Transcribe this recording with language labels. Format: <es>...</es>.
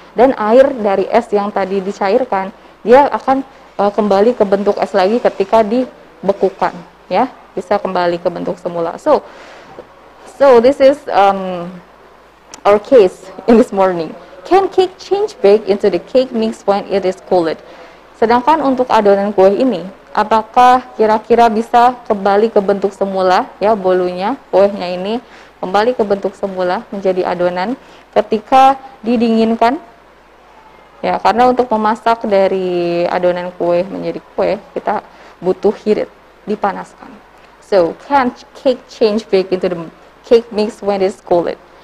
<id>Dan air dari es yang tadi dicairkan, dia akan kembali ke bentuk es lagi ketika dibekukan, ya, bisa kembali ke bentuk semula.</id> <en>So this is our case in this morning. Can cake change back into the cake mix when it is cooled?</en> <id>Sedangkan untuk adonan kue ini, apakah kira-kira bisa kembali ke bentuk semula, ya, bolunya, kuenya ini kembali ke bentuk semula menjadi adonan ketika didinginkan? Ya, karena untuk memasak dari adonan kue menjadi kue, kita butuh heat, dipanaskan.</id> <en>So, can cake change back into the cake mix when it's cooled?</en>